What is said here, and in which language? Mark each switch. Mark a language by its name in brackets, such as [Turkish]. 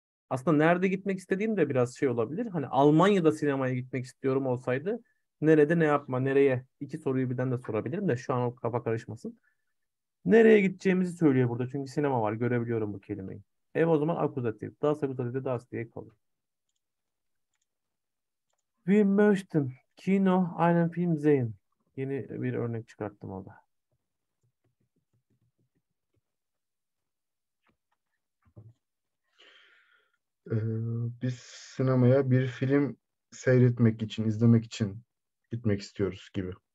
[Turkish] Aslında nerede gitmek istediğim de biraz şey olabilir. Hani Almanya'da sinemaya gitmek istiyorum olsaydı nerede ne yapma nereye? İki soruyu birden de sorabilirim de şu an o kafa karışmasın. Nereye gideceğimizi söylüyor burada. Çünkü sinema var. Görebiliyorum bu kelimeyi. Ev o zaman akuzatif. Das akuzatif de das diye kalıyor. [German] Wir möchten Kino einen Film sehen. [Turkish] Yeni bir örnek çıkarttım orada. Biz sinemaya bir film seyretmek için, izlemek için gitmek istiyoruz gibi.